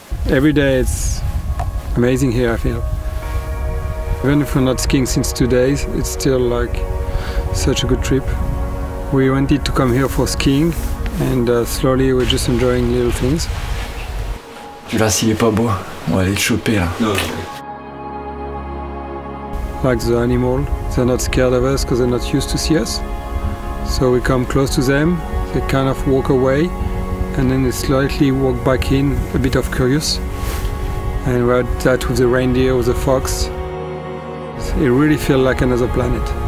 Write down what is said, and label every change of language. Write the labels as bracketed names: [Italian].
[English] Every day it's amazing here, I feel. Even if we're not skiing since 2 days, it's still like such a good trip. We wanted to come here for skiing and slowly we're just enjoying little things. [French] Là, s'il est pas beau, on va aller le choper là. [English] Like the animal, they're not scared of us because they're not used to see us. So we come close to them, they kind of walk away and then they slightly walk back in, a bit of curious. And we had that with the reindeer, with the fox. It really feels like another planet.